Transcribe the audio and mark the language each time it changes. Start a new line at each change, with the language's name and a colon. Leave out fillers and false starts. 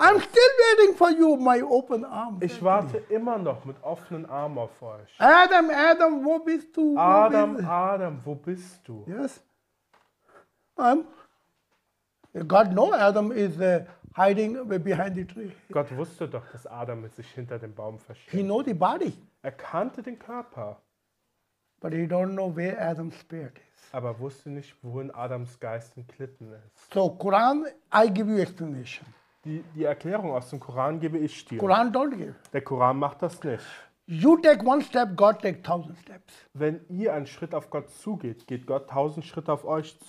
English: I'm still waiting for you, my open arm.
German: Ich warte immer noch mit offenen Armen auf euch. Adam, wo bist du? Adam, wo bist du?
English: Yes. God know Adam is hiding behind the tree.
German: Gott wusste doch, dass Adam sich hinter dem Baum versteckt.
English: He know the body.
German: Er kannte den Körper.
English: But he don't know where Adam's spirit is.
German: Aber wusste nicht, wohin Adams Geist entglitten ist.
English: So, Koran, I give you explanation.
German: Die Erklärung aus dem Koran gebe ich dir.
English: Koran don't give.
German: Der Koran macht das nicht.
English: You take one step, God take 1000 steps.
German: Wenn ihr einen Schritt auf Gott zugeht, geht Gott 1000 Schritte auf euch zu.